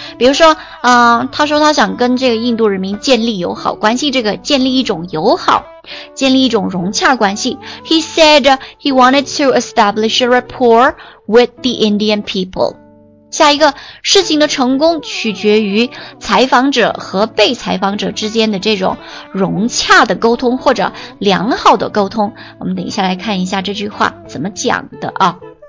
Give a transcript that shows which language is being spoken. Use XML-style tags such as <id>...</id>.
<zh>比如说他说他想跟这个印度人民建立友好关系，这个建立一种友好，建立一种融洽关系。</zh> <en>He said he wanted to establish a rapport with the Indian people。</en> <zh>下一个，事情的成功取决于采访者和被采访者之间的这种融洽的沟通或者良好的沟通。我们等一下来看一下这句话怎么讲的啊。</zh>